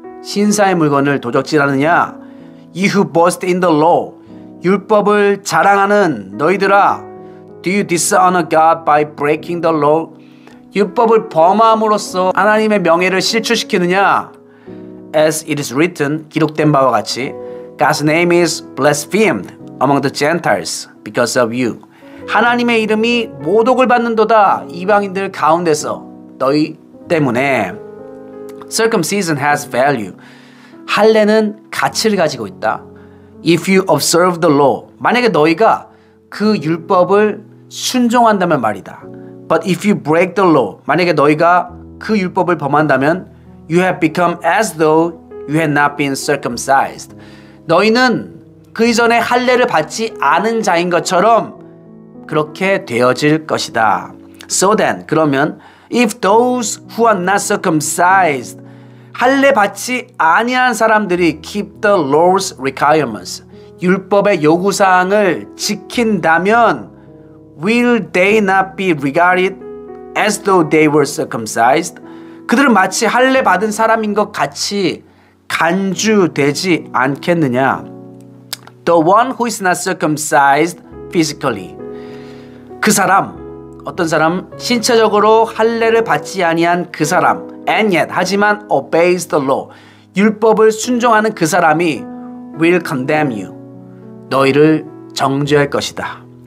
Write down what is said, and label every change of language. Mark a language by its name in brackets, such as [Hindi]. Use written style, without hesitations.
[Korean] 신사의 물건을 도적질하느냐? [English] You who boast in the law. [Korean] 율법을 자랑하는 너희들아 [English] Do you dishonor God by breaking the law? [Korean] 율법을 범함으로써 하나님의 명예를 실추시키느냐? [English] As it is written, [Korean] 기록된 바와 같이 [English] God's name is blasphemed among the Gentiles because of you. [Korean] 하나님의 이름이 모독을 받는도다 이방인들 가운데서 너희 때문에 [English] Circumcision has value. [Korean] 할례는 가치를 가지고 있다. [English] If you observe the law, [Korean] 만약에 너희가 그 율법을 순종한다면 말이다. [English] But if you break the law, [Korean] 만약에 너희가 그 율법을 범한다면 [English] you have become as though you had not been circumcised. [Korean] 너희는 그 이전에 할례를 받지 않은 자인 것처럼 그렇게 되어질 것이다. [English] So then, [Korean] 그러면 [English] if those who are not circumcised [Korean] 할례 받지 아니한 사람들이 [English] keep the law's requirements [Korean] 율법의 요구사항을 지킨다면 [English] Will they not be regarded as though they were circumcised? [Korean] 그들은 마치 할례 받은 사람인 것 같이 간주되지 않겠느냐? [English] The one who is not circumcised physically. [Korean] 그 사람, 어떤 사람, 신체적으로 할례를 받지 아니한 그 사람, [English] and yet, [Korean] 하지만 [English] obeys the law, [Korean] 율법을 순종하는 그 사람이 [English] will condemn you, [Korean] 너희를 정죄할 것이다.